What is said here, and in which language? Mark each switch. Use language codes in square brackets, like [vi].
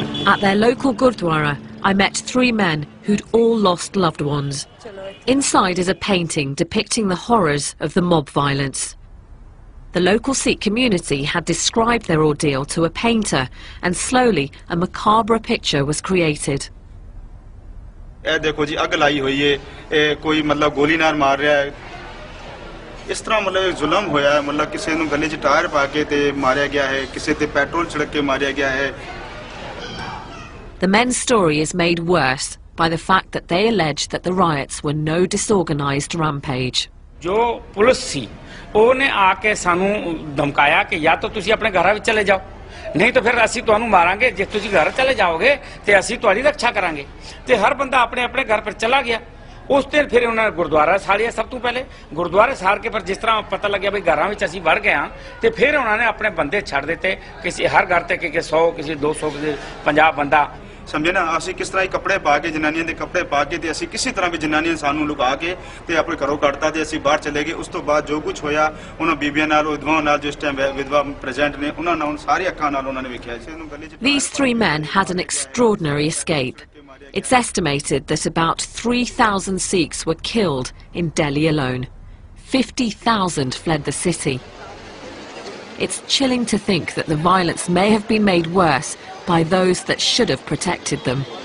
[en] At their local Gurdwara, I met three men who'd all lost loved ones. Inside is a painting depicting the horrors of the mob violence. The local Sikh community had described their ordeal to a painter, and slowly a macabre picture was created. [pa] ਇਹ ਦੇਖੋ ਜੀ ਅੱਗ ਲਾਈ ਹੋਈ ਹੈ ਇਹ ਕੋਈ ਮਤਲਬ ਗੋਲੀ ਨਾਲ ਮਾਰ ਰਿਹਾ ਹੈ ਇਸ ਤਰ੍ਹਾਂ ਮਤਲਬ ਜ਼ੁਲਮ ਹੋਇਆ ਮਤਲਬ ਕਿਸੇ ਨੂੰ ਗੱਲੇ 'ਚ ਟਾਇਰ ਪਾ ਕੇ ਅਤੇ ਮਾਰਿਆ ਗਿਆ ਹੈ ਕਿਸੇ 'ਤੇ ਪੈਟਰੋਲ ਛਿੜਕ ਕੇ ਮਾਰਿਆ ਗਿਆ ਹੈ [en] The men's story is made worse by the fact that they allege that the riots were no disorganized rampage. [pa] ਜੋ ਪੁਲਿਸ ਸੀ ਉਹਨੇ ਆ ਕੇ ਸਾਨੂੰ ਧਮਕਾਇਆ ਕਿ ਜਾਂ ਤਾਂ ਤੁਸੀਂ ਆਪਣੇ ਘਰਾਂ ਵਿੱਚ ਚਲੇ ਜਾਓ ਨਹੀਂ ਤਾਂ ਫਿਰ ਅਸੀਂ ਤੁਹਾਨੂੰ ਮਾਰਾਂਗੇ ਜੇ ਤੁਸੀਂ ਘਰ ਚਲੇ ਜਾਓਗੇ ਤੇ ਅਸੀਂ ਤੁਹਾਡੀ ਰੱਖਿਆ ਕਰਾਂਗੇ ਤੇ ਹਰ ਬੰਦਾ ਆਪਣੇ ਆਪਣੇ ਘਰ ਪਰ ਚਲਾ ਗਿਆ ਉਸ ਤੇ ਫਿਰ ਉਹਨਾਂ ਨੇ ਗੁਰਦੁਆਰਾ ਸਾੜਿਆ ਸਭ ਤੋਂ ਪਹਿਲੇ ਗੁਰਦੁਆਰੇ ਸਾੜ ਕੇ ਪਰ ਜਿਸ ਤਰ੍ਹਾਂ ਪਤਾ ਲੱਗਿਆ ਵੀ ਘਰਾਂ ਵਿੱਚ ਅਸੀਂ ਵੜ ਗਏ ਹਾਂ ਤੇ ਫਿਰ ਉਹਨਾਂ ਨੇ ਆਪਣੇ ਬੰਦੇ ਛੱਡ ਦਿੱਤੇ ਕਿਸੇ ਹਰ ਘਰ ਤੇ ਕਿ 100 ਕਿਸੇ 200 ਕਿਸੇ 50 ਬੰਦਾ ਸਮਝੇ ਨਾ ਅਸੀਂ ਕਿਸ ਤਰ੍ਹਾਂ ਹੀ ਕੱਪੜੇ ਪਾ ਕੇ ਜਨਾਨੀਆਂ ਦੇ ਕੱਪੜੇ ਪਾ ਕੇ ਤੇ ਅਸੀਂ ਕਿਸੇ ਤਰ੍ਹਾਂ ਵੀ ਜਨਾਨੀਆਂ ਸਾਨੂੰ ਲੁਕਾ ਕੇ ਤੇ ਆਪਣੇ ਘਰੋਂ ਕੱਢਤਾ ਤੇ ਅਸੀਂ ਬਾਹਰ ਚਲੇ ਗਏ ਉਸ ਤੋਂ ਬਾਅਦ ਜੋ ਕੁਝ ਹੋਇਆ ਉਹਨਾਂ ਬੀਬੀਆਂ ਨਾਲ ਵਿਧਵਾਵਾਂ ਨਾਲ ਜਿਸ ਟਾਈਮ ਵਿਧਵਾ ਪ੍ਰੈਜ਼ੈਂਟ ਨੇ ਉਹਨਾਂ ਨਾਲ ਹੁਣ ਸਾਰੀ ਅੱਖਾਂ ਨਾਲ ਉਹਨਾਂ ਨੇ ਵੇਖਿਆ ਇਸ ਨੂੰ ਗੱਲੇ 'ਚ [en] These three men had an extraordinary escape. It's estimated that about 3,000 Sikhs were killed in Delhi alone. 50,000 fled the city. It's chilling to think that the violence may have been made worse by those that should have protected them.